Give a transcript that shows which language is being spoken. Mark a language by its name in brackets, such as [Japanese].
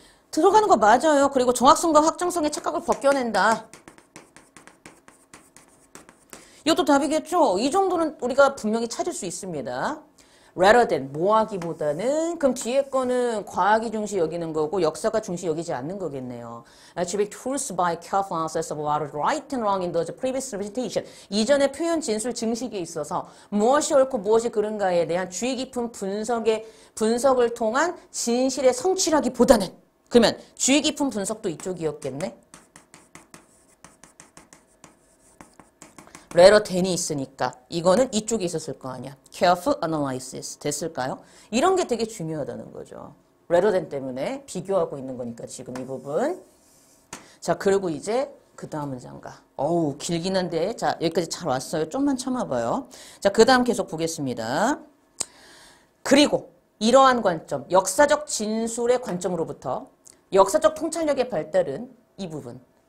[Korean] 들어가는 거 맞아요. 그리고 정확성과 확장성의 착각을 벗겨낸다. 이것도 답이겠죠? 이 정도는 우리가 분명히 찾을 수 있습니다. rather than, 뭐 하기보다는, 그럼 뒤에 거는 과학이 중시 여기는 거고, 역사가 중시 여기지 않는 거겠네요. [English] Achieving truth by careful analysis of what is right and wrong in the previous representation. [Korean] 이전에 표현 진술 증식에 있어서 무엇이 옳고 무엇이 그른가에 대한 주의 깊은 분석을 통한 진실의 성취라기보다는, 그러면 주의 깊은 분석도 이쪽이었겠네? rather than이 있으니까 이거는 이쪽에 있었을 거 아니야. [English] careful analysis [Korean] 됐을까요? 이런 게 되게 중요하다는 거죠. rather than 때문에 비교하고 있는 거니까 지금 이 부분. 자, 그리고 이제 그 다음 문장 가. 어우, 길긴 한데. 자, 여기까지 잘 왔어요. 좀만 참아봐요. 자, 그 다음 계속 보겠습니다. 그리고 이러한 관점, 역사적 진술의 관점으로부터 역사적 통찰력의 발달은 이 부분.